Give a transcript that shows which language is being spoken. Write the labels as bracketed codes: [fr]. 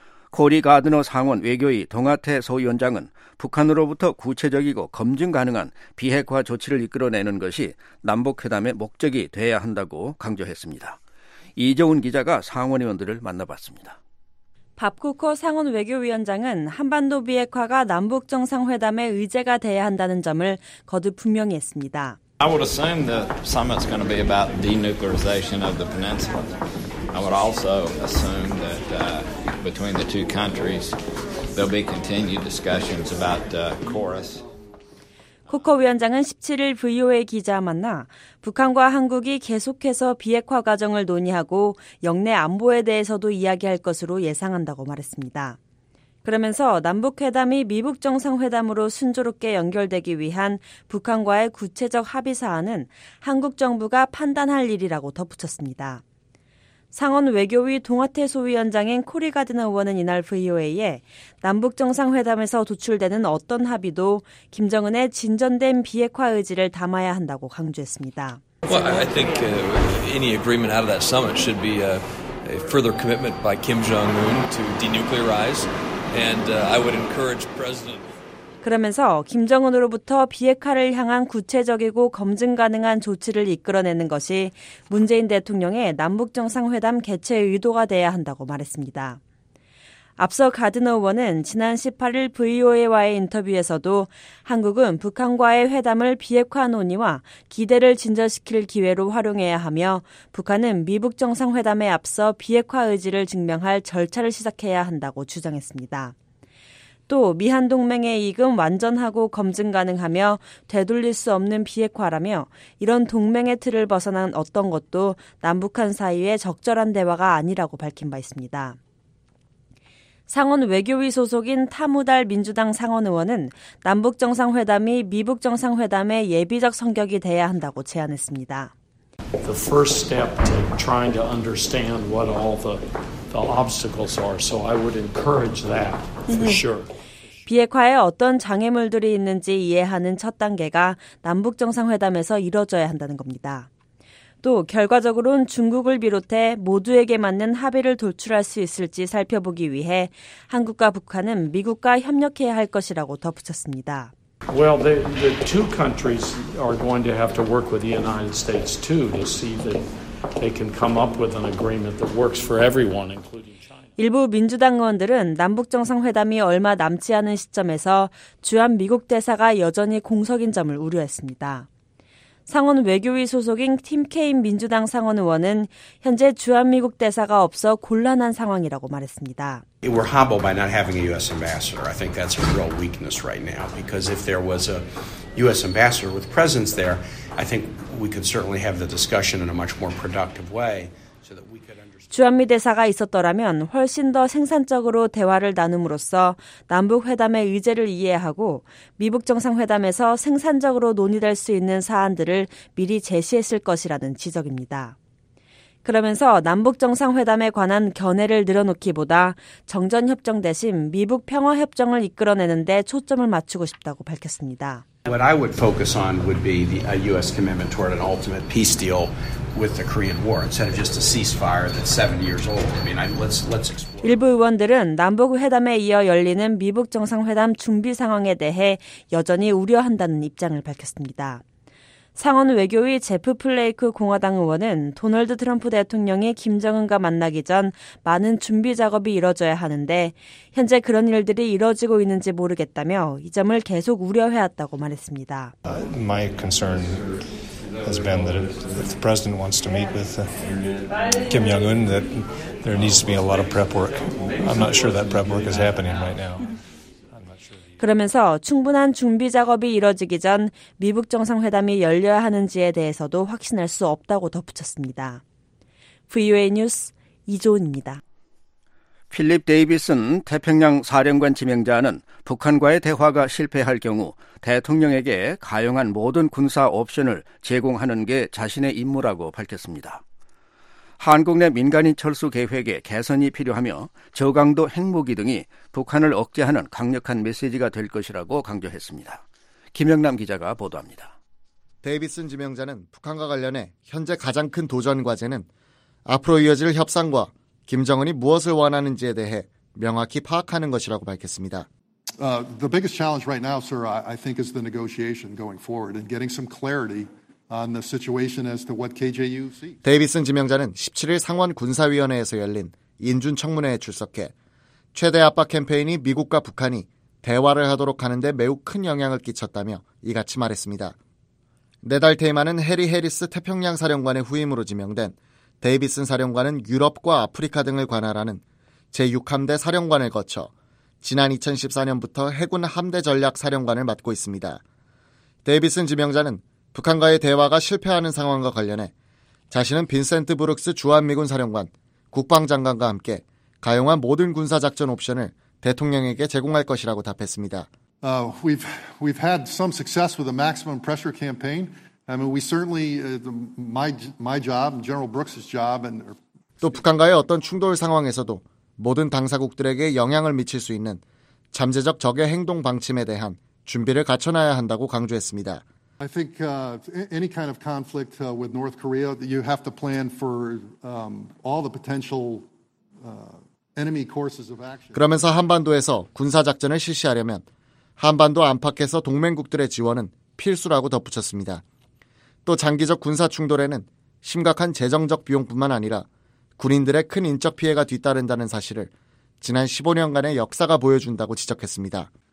[ko] 코리 가드너 상원 외교위 동아태 소위원장은 북한으로부터 구체적이고 검증 가능한 비핵화 조치를 이끌어내는 것이 남북회담의 목적이 돼야 한다고 강조했습니다. 이정훈 기자가 상원 의원들을 만나봤습니다. 밥 코커 상원 외교위원장은 한반도 비핵화가 남북정상회담의 의제가 돼야 한다는 점을 거듭 분명히 했습니다. [en] I would assume the summit's going to be about denuclearization of the peninsula. I would also assume that between the two countries there'll be continued discussions about CORUS. [ko] 코커 위원장은 17일 VOA 기자와 만나 북한과 한국이 계속해서 비핵화 과정을 논의하고 영내 안보에 대해서도 이야기할 것으로 예상한다고 말했습니다. 그러면서 남북회담이 미북 정상회담으로 순조롭게 연결되기 위한 북한과의 구체적 합의 사안은 한국 정부가 판단할 일이라고 덧붙였습니다. 상원 외교위 동아태 소위원장인 코리 가드너 의원은 이날 VOA에 남북정상회담에서 도출되는 어떤 합의도 김정은의 진전된 비핵화 의지를 담아야 한다고 강조했습니다. [en] Well, I think any agreement out of that summit should be a further commitment by Kim Jong-un to denuclearize. And I would encourage President. [ko] 그러면서 김정은으로부터 비핵화를 향한 구체적이고 검증 가능한 조치를 이끌어내는 것이 문재인 대통령의 남북정상회담 개최 의도가 돼야 한다고 말했습니다. 앞서 가드너 의원은 지난 18일 VOA와의 인터뷰에서도 한국은 북한과의 회담을 비핵화 논의와 기대를 진전시킬 기회로 활용해야 하며 북한은 미북 정상회담에 앞서 비핵화 의지를 증명할 절차를 시작해야 한다고 주장했습니다. 또 미한동맹의 이익은 완전하고 검증 가능하며 되돌릴 수 없는 비핵화라며 이런 동맹의 틀을 벗어난 어떤 것도 남북한 사이의 적절한 대화가 아니라고 밝힌 바 있습니다. 상원 외교위 소속인 타무달 민주당 상원 의원은 남북정상회담이 미북정상회담의 예비적 성격이 돼야 한다고 제안했습니다. [en] The first step to trying to understand what all the obstacles are, so I would encourage that for sure. [ko] 비핵화에 어떤 장애물들이 있는지 이해하는 첫 단계가 남북정상회담에서 이뤄져야 한다는 겁니다. 또 결과적으로는 중국을 비롯해 모두에게 맞는 합의를 돌출할 수 있을지 살펴보기 위해 한국과 북한은 미국과 협력해야 할 것이라고 덧붙였습니다. [en] Well, the two countries are going to have to work with the United States too to see that they can come up with an agreement that works for everyone, including. [ko] 일부 민주당 의원들은 남북정상회담이 얼마 남지 않은 시점에서 주한 미국 대사가 여전히 공석인 점을 우려했습니다. 상원 외교위 소속인 팀 케인 민주당 상원 의원은 현재 주한미국 대사가 없어 곤란한 상황이라고 말했습니다. [en] We're humbled by not having a U.S. ambassador. I think that's a real weakness right now. Because if there was a U.S. ambassador with presence there, I think we could certainly have the discussion in a much more productive way. [ko] 주한미 대사가 있었더라면 훨씬 더 생산적으로 대화를 나눔으로써 남북회담의 의제를 이해하고 미북정상회담에서 생산적으로 논의될 수 있는 사안들을 미리 제시했을 것이라는 지적입니다. 그러면서 남북정상회담에 관한 견해를 늘어놓기보다 정전협정 대신 미북평화협정을 이끌어내는 데 초점을 맞추고 싶다고 밝혔습니다. [en] What I would focus on would be a U.S. commitment toward an ultimate peace deal with the Korean War instead of just a ceasefire that's 70 years old. I mean, let's explore. [ko] 일부 의원들은 남북 회담에 이어 열리는 미북 정상회담 준비 상황에 대해 여전히 우려한다는 입장을 밝혔습니다. 상원 외교위 제프 플레이크 공화당 의원은 도널드 트럼프 대통령이 김정은과 만나기 전 많은 준비 작업이 이뤄져야 하는데 현재 그런 일들이 이뤄지고 있는지 모르겠다며 이 점을 계속 우려해왔다고 말했습니다. [en] My concern has been that if the president wants to meet with Kim Jong-un, that there needs to be a lot of prep work. I'm not sure that prep work is happening right now. [ko] 그러면서 충분한 준비 작업이 이뤄지기 전 미북 정상회담이 열려야 하는지에 대해서도 확신할 수 없다고 덧붙였습니다. VOA 뉴스 이조은입니다. 필립 데이비슨 태평양 사령관 지명자는 북한과의 대화가 실패할 경우 대통령에게 가용한 모든 군사 옵션을 제공하는 게 자신의 임무라고 밝혔습니다. 한국 내 민간인 철수 계획에 개선이 필요하며 저강도 핵무기 등이 북한을 억제하는 강력한 메시지가 될 것이라고 강조했습니다. 김영남 기자가 보도합니다. 데이비슨 지명자는 북한과 관련해 현재 가장 큰 도전 과제는 앞으로 이어질 협상과 김정은이 무엇을 원하는지에 대해 명확히 파악하는 것이라고 밝혔습니다. [en] The biggest challenge right now, sir, I think is the negotiation going forward and getting some clarity on the situation as to what KJU sees. [ko] 데이비슨 지명자는 17일 상원 군사위원회에서 열린 인준 청문회에 출석해 최대 압박 캠페인이 미국과 북한이 대화를 하도록 하는 데 매우 큰 영향을 끼쳤다며 이같이 말했습니다. 네달 테이마는 해리 해리스 태평양 사령관의 후임으로 지명된 데이비슨 사령관은 유럽과 아프리카 등을 관할하는 제6함대 사령관을 거쳐 지난 2014년부터 해군 함대 전략 사령관을 맡고 있습니다. 데이비슨 지명자는 북한과의 대화가 실패하는 상황과 관련해 자신은 빈센트 브룩스 주한미군 사령관, 국방장관과 함께 가용한 모든 군사작전 옵션을 대통령에게 제공할 것이라고 답했습니다. [en] We've had some success with the maximum pressure campaign. I mean, we certainly, my job, General Brooks's job, and [ko] 또 북한과의 어떤 충돌 상황에서도 모든 당사국들에게 영향을 미칠 수 있는 잠재적 적의 행동 방침에 대한 준비를 갖춰놔야 한다고 강조했습니다. [en] I think any kind of conflict with North Korea, you have to plan for all the potential enemy courses of action. [ko] 그러면서 한반도에서 군사 작전을 실시하려면 한반도 안팎에서 동맹국들의 지원은 필수라고 덧붙였습니다. 또 장기적 군사 충돌에는 심각한 재정적 비용뿐만 아니라 군인들의 큰 인적 피해가 뒤따른다는 사실을 지난 15년간의 역사가 보여준다고 지적했습니다.